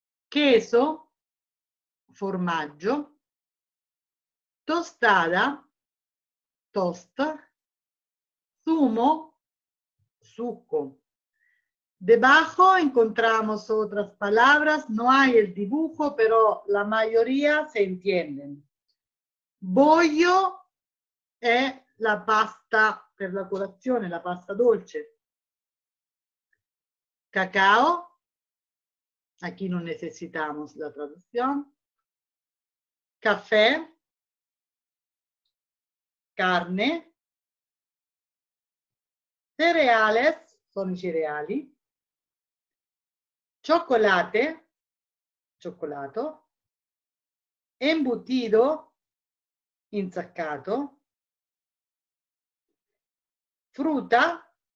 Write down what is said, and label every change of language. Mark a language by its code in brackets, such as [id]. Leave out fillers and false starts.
[es] queso, formaggio, tostada, toast, zumo, suco. Debajo encontramos otras palabras, no hay el dibujo, pero la mayoría se entienden. Bollo es [it] la pasta per la colazione, la pasta dolce. [es] Cacao, aquí no necesitamos la traducción. Café, carne. Cereales, son cereali, chocolate, cioccolato, embutido, insaccato, frutta,